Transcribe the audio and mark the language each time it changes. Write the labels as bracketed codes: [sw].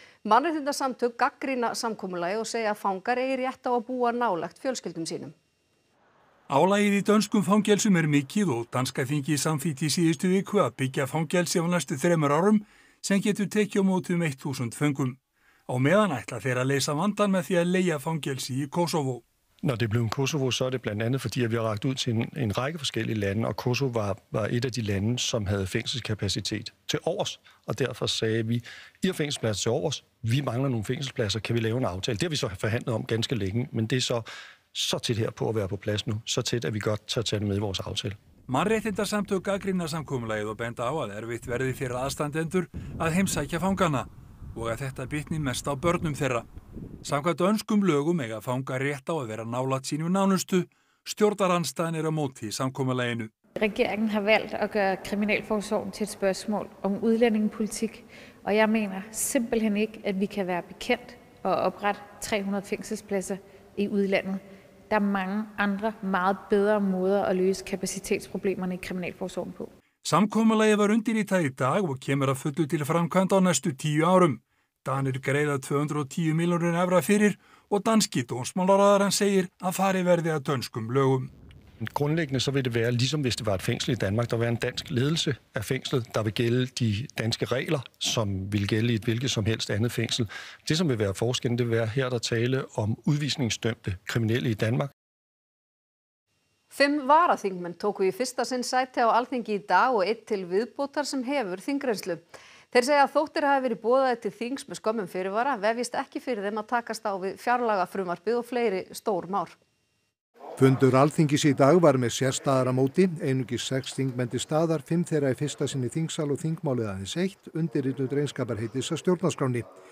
[is] Mannréttindasamtök gagnrýna samkomulagi og segja að fangar eigi rétt á að búa nálægt fjölskyldum sínum. Álagið í dönskum fangelsum mikið og danska þingið samþykkti í síðustu viku að byggja fangelsi á næstu 3 árum sem getur tekið á móti 1000 föngum. Á meðan ætla þeir að leysa vandann með því að leigja fangelsi í Kósovo. [da] Når det blev en Kosovo, så er det blandt andet fordi, at vi har rakt ud til en række forskellige lande, og Kosovo var et af de lande, som havde fængselskapacitet til overs, og derfor sagde vi, I har fængselspladser til overs, vi mangler nogle fængselspladser, kan vi lave en aftale? Det har vi så forhandlet om ganske længe, men det er så tæt her på at være på plads nu, så tæt, at vi godt tager tage med i vores aftale. [is] Mannréttinda samtök gagnrýna samkomulagið og benda á að erfitt verði fyrir aðstandendur að heimsækja fangana og að þetta bitni mest á börnum þeirra. Samkvæmt dönskum lögum eiga fangar rétt á að vera nálægt sínum nánustu, Stjórnarandstaðan er á móti í samkomulaginu. [da] Regeringen har valgt að gjöra kriminalforsorgen til et spørgsmål om udlændingepolitik, og jeg mener simpelthen ikke, at vi kan være bekendt og oprette 300 fængselspladser i udlandet. Der er mange andre, meget bedre måder at løse kapacitetsproblemerne i kriminalforsorgen på. [is] Samkomulagið var undirritað í dag og kemur að fullu til framkvæmda á næstu 10 árum. Danir greiða 210 milljónir evra fyrir og danski dómsmálaráðherrann segir að fari verði að dönskum lögum. [da] Grundlæggende så vil det være ligesom hvis det var et fængsel i Danmark, der vil være en dansk ledelse af fængslet, der vil gælde de danske regler, som vil gælde i et hvilket som helst andet fængsel. Det som vil være forskellen, det vil være her der tale om udvisningsdømte kriminelle i Danmark. [is] Fimm varaþingmenn tóku í fyrsta sinn sæti á Alþingi í dag og einn til viðbótar sem hefur þingreynslu. Þeir segja að þóttir hafi verið boðaðir til þings með skömmum fyrirvara vefjist ekki fyrir þeim að takast á við fjárlagafrumvarpið og fleiri stór mál. Fundur Alþingis í dag var með sérstæðara móti, einungis 6 þingmenn til staðar, 5 þeirra í fyrsta sinn í þingsal og þingmálið aðeins eitt undirritun drengskaparheitis að stjórnarskránni.